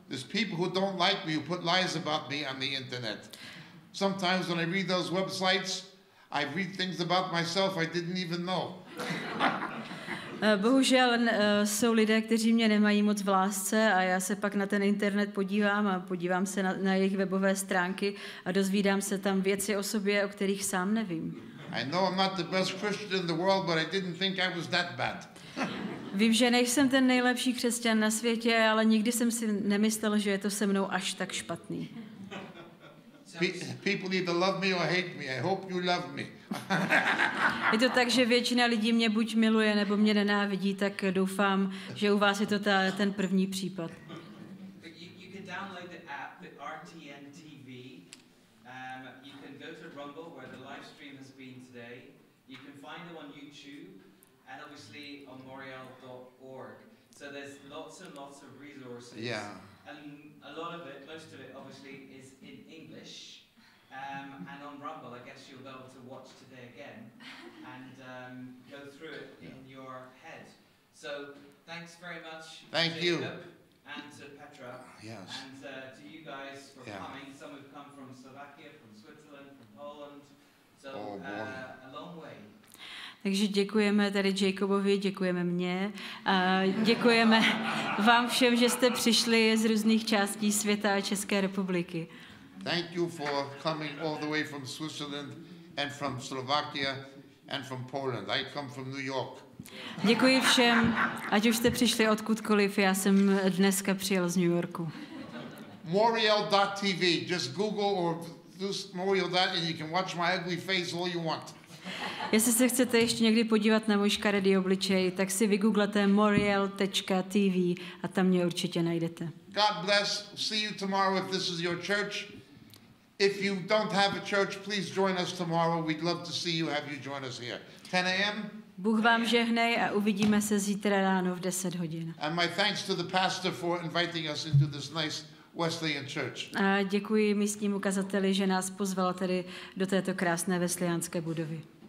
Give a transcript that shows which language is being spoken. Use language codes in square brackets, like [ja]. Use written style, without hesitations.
[en] There's people who don't like me, who put lies about me on the internet. Sometimes when I read those websites, I read things about myself I didn't even know. [cs] Bohužel jsou lidé, kteří mě nemají moc v lásce a já se pak na ten internet podívám a podívám se na jejich webové stránky a dozvídám se tam věci o sobě, o kterých sám nevím. [en] I know I'm not the best Christian in the world, but I didn't think I was that bad. [cs] Vím, že nejsem ten nejlepší křesťan na světě, ale nikdy jsem si nemyslel, že je to se mnou až tak špatný. [en] People either love me or hate me. I hope you love me. [cs] Je to tak, že většina lidí mě buď miluje, nebo mě nenávidí, tak doufám, že u vás je to ten první případ. [en] You can download the app, the RTN TV. You can go to Rumble, where the live stream has been today. You can find them on YouTube, and obviously on Morial.org. So there's lots and lots of resources. Yeah. And a lot of it, most of it, obviously, is in English. And on Rumble, I guess you'll be able to watch today again and go through it in your head. So, thanks very much, Thank Jacob. You. and to Petra. Yes. And to you guys for coming. Some have come from Slovakia, from Switzerland, from Poland. So a long way. [cs] Takže děkujeme tady Jacobovi, děkujeme mně, děkujeme vám všem, že jste přišli z různých částí světa a České republiky. [en] Thank you for coming all the way from Switzerland and from Slovakia and from Poland. I come from New York. [cs] Děkuji všem, ať už jste přišli odkudkoliv, já jsem dneska přijel z New Yorku. [en] Moriel.tv, just Google or just Moriel.tv and you can watch my ugly face all you want. [cs] Jestli se chcete ještě někdy podívat na můj škaredý obličej, tak si vygooglete moriel.tv a tam mě určitě najdete. [en] God bless. See you tomorrow if this is your church. If you don't have a church, please join us tomorrow. We'd love to see you, have you join us here. 10 a.m. [cs] Bůh vám žehnej a uvidíme se zítra ráno v 10 hodin. [en] And my thanks to the pastor for inviting us into this nice Wesleyan Church. [cs] A děkuji místnímu kazateli, že nás pozval tady do této krásné wesleyanské budovy.